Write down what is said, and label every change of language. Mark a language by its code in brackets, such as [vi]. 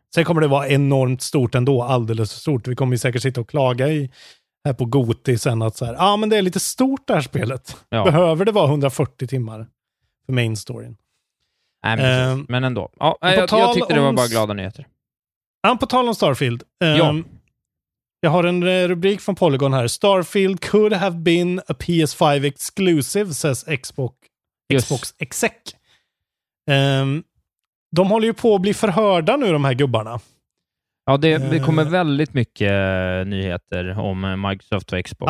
[sv] Sen kommer det vara enormt stort ändå, alldeles för stort. Vi kommer ju säkert sitta och klaga i här på GOTY sen att så här, ah, men det är lite stort det här spelet. Ja. Behöver det vara 140 timmar för main storyn? Nej, men ändå. Ja, jag tyckte det var bara glada nyheter. På tal om Starfield. Ja. Jag har en rubrik från Polygon här. [en] Starfield could have been a PS5 exclusive, says Xbox exec. [sv] De håller ju på att bli förhörda nu, de här gubbarna. Ja, det kommer väldigt mycket nyheter om Microsoft och Xbox.